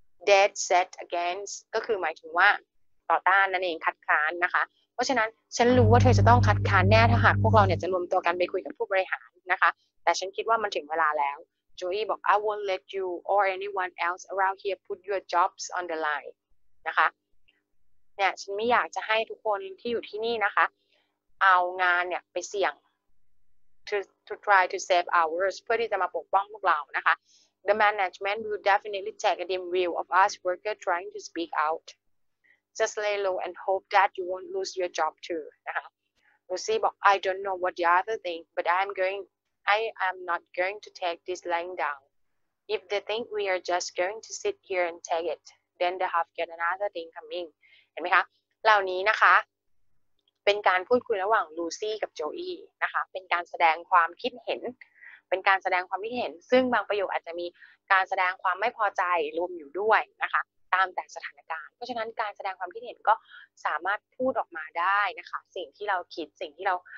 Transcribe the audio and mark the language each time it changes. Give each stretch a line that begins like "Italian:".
Thai: dead set against ก็คือหมายถึงว่าต่อต้านนั่นเองคัดค้านนะคะเพราะฉะนั้นฉันรู้ว่าเธอจะต้องคัดค้านแน่ถ้าหากพวกเราเนี่ยจะรวมตัวกันไปคุยกับผู้บริหารนะคะแต่ฉันคิดว่ามันถึงเวลาแล้วโจอี้บอก
English: I won't let you or anyone else around here put your jobs on the line
Thai: นะคะ เนี่ยฉันไม่อยากจะให้ทุกคนที่อยู่ที่นี่นะคะเอางานเนี่ยไปเสี่ยง
English: to try to save ours
Thai: เพื่อที่จะมาปกป้องพวกเรานะคะ
English: The management will definitely take a dim view of us workers trying to speak out. Just lay low and hope that you won't lose your job too. Lucy said, I don't know what the other thing, but I am not going to take this lying down. If they think we are just going to sit here and take it, then they have got another thing coming.
Thai: เห็นไหมคะ เหล่านี้นะคะ เป็นการพูดคุยระหว่าง Lucy กับ Joey นะคะ เป็นการแสดงความคิดเห็นเป็นการแสดงความคิดเห็นซึ่งบางประโยคอาจจะมีการแสดงความไม่พอใจรวมอยู่ด้วยนะคะตามแต่สถานการณ์เพราะฉะนั้นการแสดงความคิดเห็นก็สามารถพูดออกมาได้นะคะสิ่งที่เราคิดสิ่งที่เร